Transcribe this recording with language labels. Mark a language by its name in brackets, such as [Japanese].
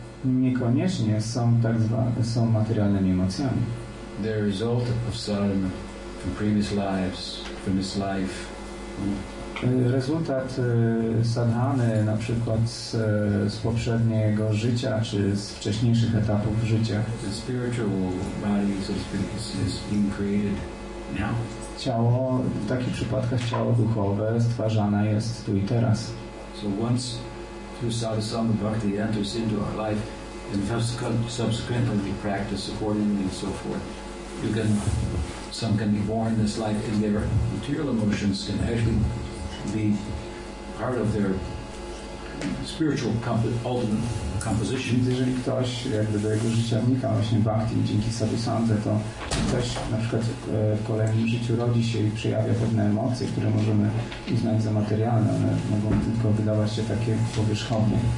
[Polish] Niekoniecznie są są materialnymi emocjami. [English] They're a result of sadhana from previous lives, from this life. [Polish] Rezultat sadhany, na przykład z poprzedniego życia, czy z wcześniejszych etapów życia. [English] The spiritual body, so to speak, is being created now. [Polish] Ciało, w takich przypadkach ciało duchowe, stwarzane jest tu i teraz. [English] So once through sadhana bhakti enters into our life, and subsequently we practice accordingly and so forth, some can be born in this life, and their material emotions can actually be part of their spiritual ultimate composition. [Polish] Jeżeli ktoś jakby do jego życia wnika właśnie bhakti dzięki sadhusandze, to ktoś na przykład w kolejnym życiu rodzi się i przejawia pewne emocje, które możemy uznać za materialne, one mogą tylko wydawać się takie powierzchowne.